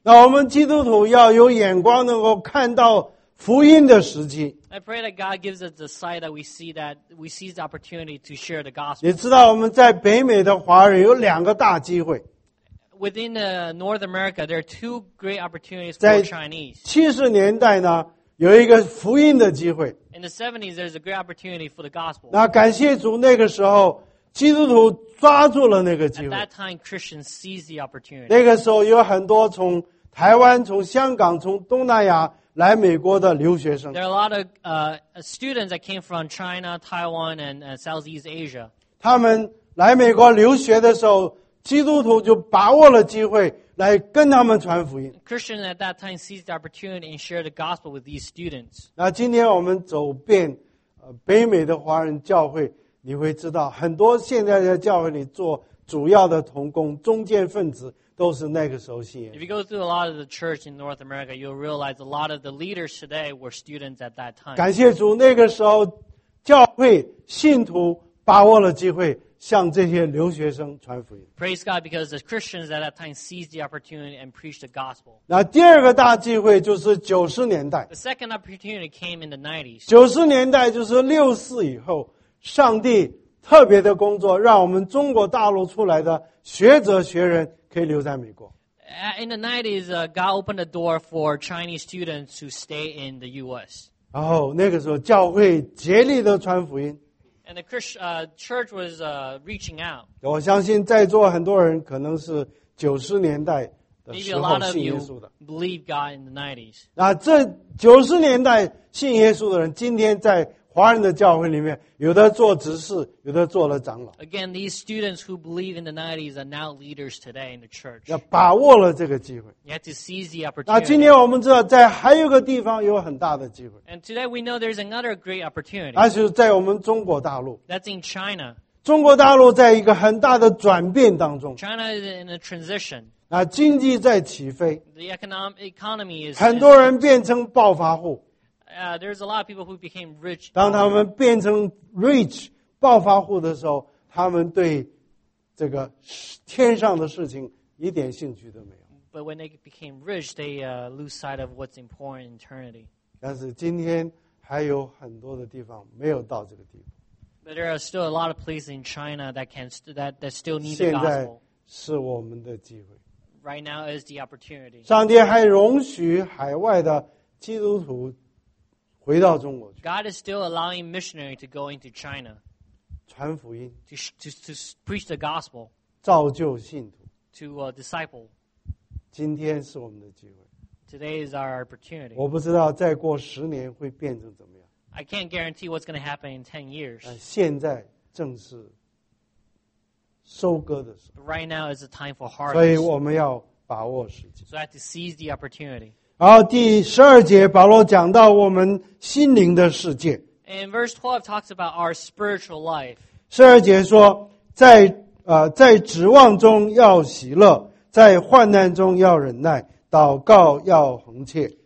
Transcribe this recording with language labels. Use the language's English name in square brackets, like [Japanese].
[Chinese] 那我们基督徒要有眼光，能够看到福音的时机。 [English] I pray that God gives us the sight that we seize the opportunity to share the gospel. [Chinese] 你知道我们在北美的华人有两个大机会。 [English] Within North America, there are two great opportunities for Chinese. [Chinese] 在70年代呢，有一个福音的机会。 [English] In the 70s, there's a great opportunity for the gospel. [Chinese] 那感谢主，那个时候基督徒抓住了那个机会。 [English] At that time, Christians seized the opportunity. [Chinese] 那个时候有很多从台湾、从香港、从东南亚来美国的留学生。 [English] There are a lot of students that came from China, Taiwan, and Southeast Asia. [Chinese] 他们来美国留学的时候，基督徒就把握了机会来跟他们传福音。 [English] Christians at that time seized the opportunity and shared the gospel with these students. [Chinese] 那今天我们走遍北美的华人教会，你会知道很多现在在教会里做主要的同工、中间分子都是那个时候信仰。 [English] If you go through a lot of the church in North America, you'll realize a lot of the leaders today were students at that time. [Chinese] 感谢主，那个时候教会信徒把握了机会向这些留学生传福音。 [English] Praise God, because the Christians at that time seized the opportunity and preached the gospel. [Chinese] 那第二个大机会就是90年代。 [English] The second opportunity came in the 90s. [Chinese] 90年代就是64以后，上帝特别的工作，让我们中国大陆出来的学者学人可以留在美国。 [English] In the 90s, God opened the door for Chinese students to stay in the U.S. [Chinese] 然后那个时候教会竭力的传福音。 [English] And the church was reaching out. [Chinese] 我相信在座很多人可能是90年代的时候信耶稣的。 [English] Maybe a lot of you believe God in the 90s. [Chinese] 那这90年代信耶稣的人今天在华人的教会里面有的做执事，有的做了长老。 [English] Again, these students who believe in the 90s are now leaders today in the church. [Chinese] 要把握了这个机会。 [English] You have to seize the opportunity. [Chinese] 那今天我们知道在还有个地方有很大的机会。 [English] And today we know there's another great opportunity. [Chinese] 那就是在我们中国大陆。 [English] That's in China. [Chinese] 中国大陆在一个很大的转变当中。 [English] China is in a transition. [Chinese] 那经济在起飞。 [English] The economy is... [Chinese] 很多人变成暴发户。 [English] There's a lot of people who became rich. [Chinese] 当他们变成 rich 暴发户的时候，他们对这个天上的事情一点兴趣都没有。 [English] But when they became rich, they lose sight of what's important in eternity. [Chinese] 但是今天还有很多的地方没有到这个地步。 [English] But there are still a lot of places in China that still need the gospel. [Chinese] 现在是我们的机会。 [English] Right now is the opportunity. [Chinese] 上帝还容许海外的基督徒回到中国去。 [English] God is still allowing missionaries to go into China. [Chinese] 传福音。 [English] To preach the gospel. [Chinese] 造就信徒。 [English] To disciple. [Chinese] 今天是我们的机会。 [English] Today is our opportunity. [Chinese] 我不知道再过十年会变成怎么样。 [English] I can't guarantee what's going to happen in 10 years. [Chinese] 现在正是收割的时候。 [English] Right now is the time for harvest. [Chinese] 所以我们要把握时间。 [English] So I have to seize the opportunity. [Chinese] 然后第十二节保罗讲到我们心灵的世界。 [English] And verse 12 talks about our spiritual life. [Chinese] 十二节说在指望中要喜乐，在患难中要忍耐，祷告要恒切。